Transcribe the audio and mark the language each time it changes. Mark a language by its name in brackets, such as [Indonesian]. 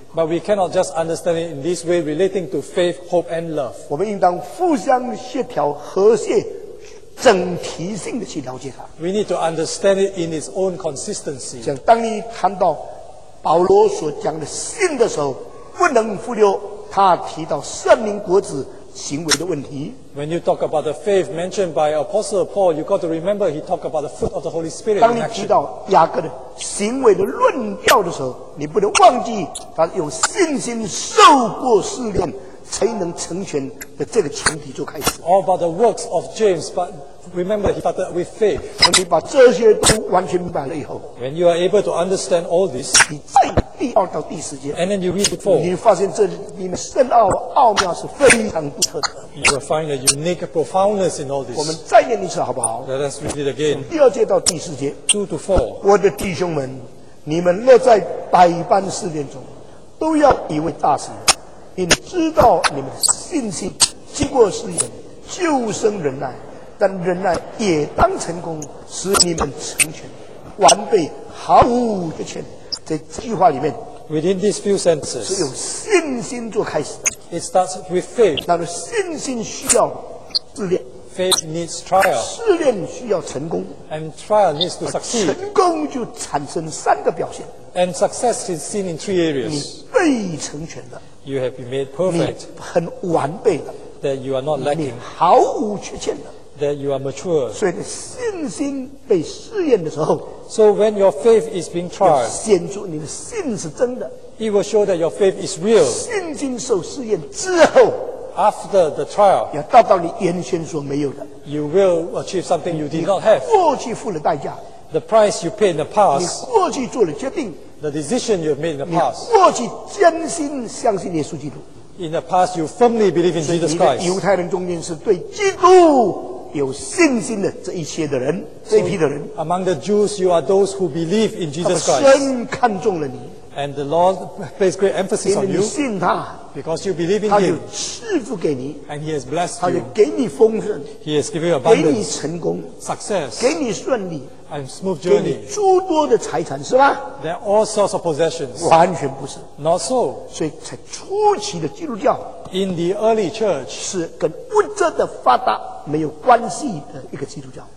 [English] But we cannot just understand it in this way relating to faith, hope, and love. [Chinese] 我们应当互相协调、和谐、整体性的去了解它。 [English] We need to understand it in its own consistency. [Chinese] 像当你谈到保罗所讲的信的时候， 不能忽略他提到圣灵果子行为的问题。 [English] When you talk about the faith mentioned by Apostle Paul, you've got to remember he talked about the fruit of the Holy Spirit. [Chinese] 当你提到雅各的行为的论调的时候， 你不能忘记他用信心受过试炼才能成全的这个前提就开始。 [English] All about the works of James, but remember he started with faith. [Chinese] 当你把这些都完全明白了以后， [English] When you are able to understand all this, [Chinese] 第二到第四节， [English] and then you read it forward, [Chinese] 你发现这里面深奥的奥妙是非常独特的。 [English] You will find a unique profoundness in all this. [Chinese] 我们再念一次好不好？ [English] Let us read it again. [Chinese] 从第二节到第四节， [English] 2 to 4， [Chinese] 我的弟兄们，你们乐在百般试炼中，都要以为大喜，因知道你们的信心经过试炼，就生忍耐，但忍耐也当成功，使你们成全完备，毫无缺欠。这句话里面， [English] within these few sentences, [Chinese] 是用信心做开始的。 [English] It starts with faith. [Chinese] 那么信心需要试炼。 [English] Faith needs trial. [Chinese] 试炼需要成功。 [English] And trial needs to succeed. [Chinese] 成功就产生三个表现。 [English] And success is seen in three areas. [Chinese] 你被成全的。 [English] You have been made perfect. [Chinese] 你很完备的。 [English] That you are not lacking. [Chinese] 你毫无缺陷的。 [English] That you are mature. [Chinese] 所以信心被试验的时候， [English] so when your faith is being tried, [Chinese] 显出你的信是真的。 [English] It will show that your faith is real. [Chinese] 信心受试验之后， [English] after the trial, [Chinese] 要达到你原先所没有的。 [English] You will achieve something you did not have. [Chinese] 过去付了代价， [English] the price you paid in the past, [Chinese] 你过去做了决定， [English] the decision you have made in the past, [Chinese] 你过去坚信相信耶稣基督。 [English] In the past you firmly believe in Jesus Christ. [Chinese] 所以你的犹太人中间是对基督 有信心的这一些的人， [English] so, [Chinese] 这一批的人， [English] among the Jews you are those who believe in Jesus Christ. [Chinese] 他们深看中了你， [English] and the Lord placed great emphasis on you. [Chinese] 信他， [English] because you believe in him. [Chinese] 他有赐福给你， [English] and he has blessed [Chinese] 他就给你丰盛， [English] you. [Chinese] 他就给你丰盛， [English] he has given you abundance. [Chinese] 给你成功， [English] success. [Chinese] 给你顺利， [English] and smooth journey. [Chinese] 给你诸多的财产， 是吧？ [English] There are all sorts of possessions. [Chinese] 完全不是， [English] not so. [Chinese] 所以才初期的基督教， [English] in the early church, [Chinese] 是跟物质的发达 没有关系的一个基督教。